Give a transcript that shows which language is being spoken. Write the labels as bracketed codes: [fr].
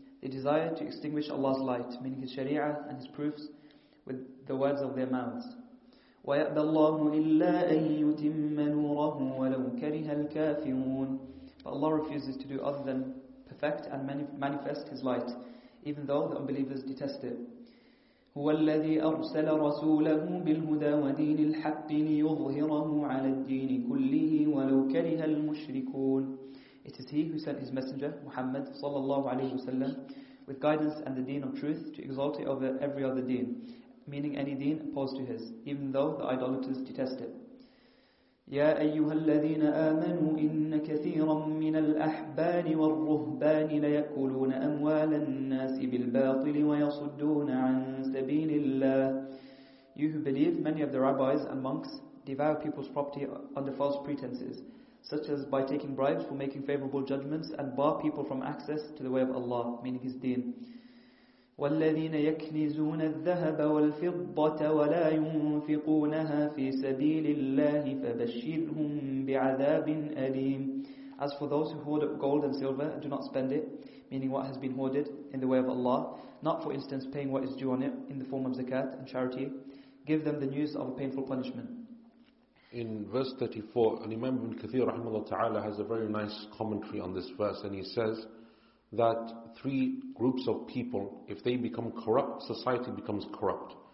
[en] They desire to extinguish Allah's light, meaning His sharia and His proofs, with the words of their mouths. [ar] وَيَأْبَى اللَّهُ إِلَّا أَن يُتِمَّ نُورَهُ وَلَوْ كَرِهَ الْكَافِرُونَ. [en] But Allah refuses to do other than perfect and manifest His light, even though the unbelievers detest it. [ar] هو الذي أرسل رسوله بالهدى ودين الحق ليظهره على الدين كله ولو كره المشركون. [en] It is he who sent his messenger, Muhammad [ar] sallallahu alayhi wa sallam, [en] with guidance and the deen of truth to exalt it over every other deen, meaning any deen opposed to his, even though the idolaters detest it. [ar] يَا أَيُّهَا الَّذِينَ آمَنُوا إِنَّ كَثِيرًا مِّنَ الْأَحْبَارِ وَالرُّهْبَانِ لَيَأْكُلُونَ أَمْوَالَ النَّاسِ بِالْبَاطِلِ وَيَصُدُّونَ عَن سَبِيلِ اللَّهِ. [en] You who believe, many of the rabbis and monks devour people's property under false pretenses, such as by taking bribes for making favorable judgments and bar people from access to the way of Allah, meaning his deen. [ar] والذين يكنزون الذهب والفضة ولا ينفقونها في سبيل الله فبشرهم بعذاب أليم. [en] As for those who hoard up gold and silver and do not spend it, meaning what has been hoarded in the way of Allah, not for instance paying what is due on it in the form of zakat and charity, give them the news of a painful punishment. In verse 34, an Imam Ibn Kathir [ar] rahimahullah ta'ala [en] has a very nice commentary on this verse, and he says that three groups of people, if they become corrupt, society becomes corrupt.